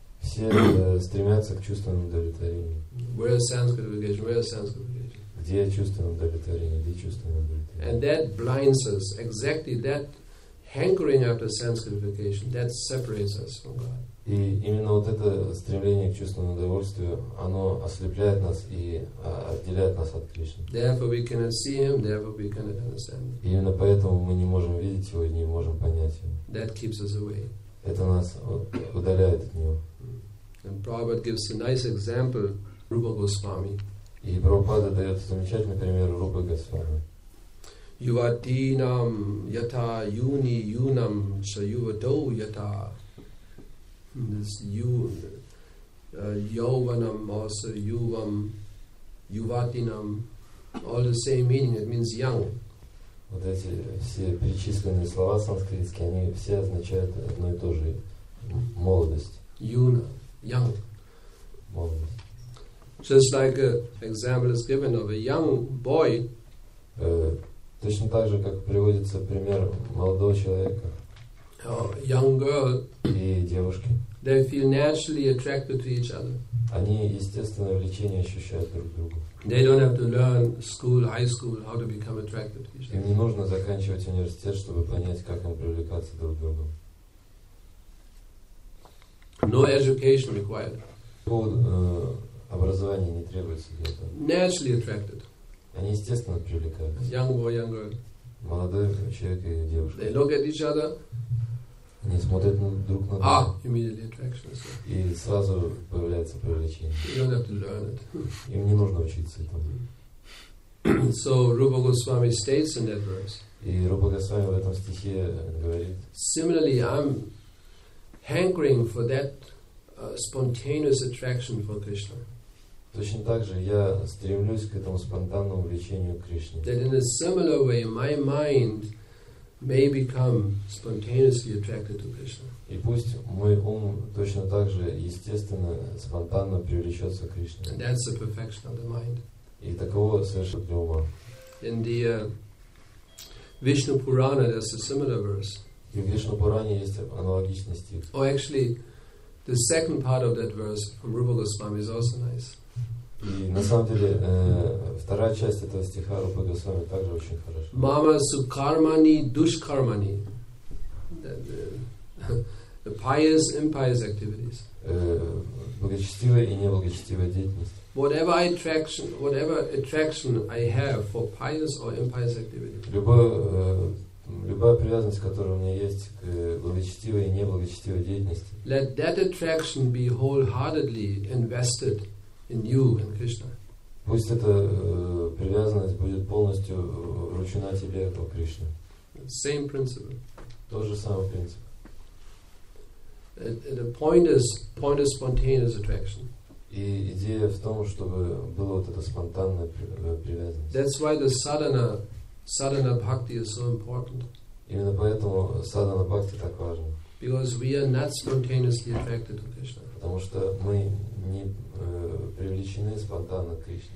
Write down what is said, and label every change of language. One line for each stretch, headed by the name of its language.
Russian: Все стремятся к чувственному удовлетворению.
English: Where is sense gratification? Where is sense gratification?
Russian: Где чувственное удовлетворение? Где чувственное удовлетворение?
English: And that blinds us. Exactly that hankering after sense gratification that separates us from God.
Russian: И именно вот это стремление к чувственному удовольствию, оно ослепляет нас и отделяет нас от Кришны.
English: Therefore we cannot see him, therefore we cannot understand him.
Russian: И именно поэтому мы не можем видеть его и не можем понять его.
English: That keeps us away.
Russian: Это нас удаляет от него.
English: And Prabhupada gives a nice example, Rupa Goswami.
Russian: И Прабхупада дает замечательный пример Рупы Госвами.
Sanskrit: Yuvatinam yata yuni yunam cha yuvatau yata.
English: This
Sanskrit: yovanam
English: also
Sanskrit: yuvam yuvatinam,
English: all the same meaning. It means young.
Russian: Вот эти все перечисленные слова санскритские, они все означают одно и то же: молодость.
English: Yuna, young.
Russian: Молодость.
English: Just like an example is given of a young boy.
Russian: Точно так же, как приводится пример молодого человека.
English: Young girl.
Russian: И девушки.
English: They feel naturally attracted to each other.
Russian: Они естественное влечение ощущают друг к другу.
English: They don't have to learn school, high school, how to become attracted to each other.
Russian: Им не нужно заканчивать университет, чтобы понять, как им привлекаться друг к другу.
English: No education required.
Russian: Образование не требуется для этого.
English: Naturally attracted.
Russian: Они естественно привлекаются.
English: Young boy, young girl.
Russian: Молодой человек и девушка.
English: They look at each other.
Russian: Они смотрят друг на друга.
English: Immediately attraction. So.
Russian: И сразу появляется привлечение.
English: You don't have to learn it.
Russian: Им не нужно учиться этому.
English: So Rupa Goswami states in that verse.
Russian: И Рупа Госвами в этом стихе говорит.
English: Similarly, I'm hankering for that spontaneous attraction for Krishna.
Russian: Точно так же я стремлюсь к этому спонтанному влечению к Кришне.
English: That in a similar way, my mind may become spontaneously attracted to Krishna.
Russian: И пусть мой ум точно так же естественно, спонтанно привлечется к Кришне.
English: And that's the perfection of the mind.
Russian: И такого совершенно для ума.
English: In the Vishnu Purana, there's a similar verse.
Russian: И в Вишну Пуране есть аналогичный стих.
English: Oh, actually, the second part of that verse from Rupa Goswami is also nice.
Russian: И на самом деле вторая часть этого стиха Рупа Госвами также очень хорошо.
Sanskrit: Мама сукармани душкармани.
English: the pious, impious activities.
Russian: Благочестивая и неблагочестивая деятельность.
English: Whatever attraction I have for pious or impious activity.
Russian: Любая привязанность, которая у меня есть к благочестивой и неблагочестивой деятельности.
English: Let that attraction be wholeheartedly invested in you and Krishna.
Russian: Пусть эта привязанность будет полностью вручена тебе, о Кришна.
English: Same principle.
Russian: Тот же самый принцип.
English: The point is spontaneous attraction.
Russian: И идея в том, чтобы было вот это спонтанное привязанность.
English: That's why the sadhana bhakti is so important.
Russian: Именно поэтому sadhana bhakti так важна.
English: Because we are not spontaneously attracted to Krishna.
Russian: Потому что мы не привлечены спонтанно к Кришне.